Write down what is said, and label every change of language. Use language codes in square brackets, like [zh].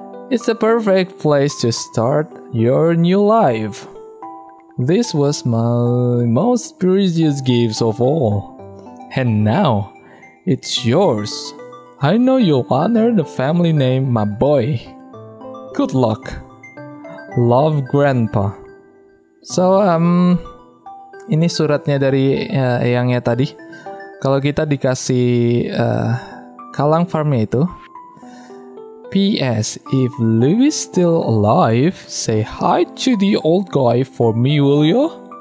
[en] It's the perfect place to start your new life. This was my most precious gift of all. And now, it's yours. I know you'll honor the family name, my boy. Good luck. Love, Grandpa. [id] So, ini suratnya dari eyangnya tadi. Kalau kita dikasih Kalang Farm-nya itu. [en] P.S. If Lou is still alive, say hi to the old guy for me, will you?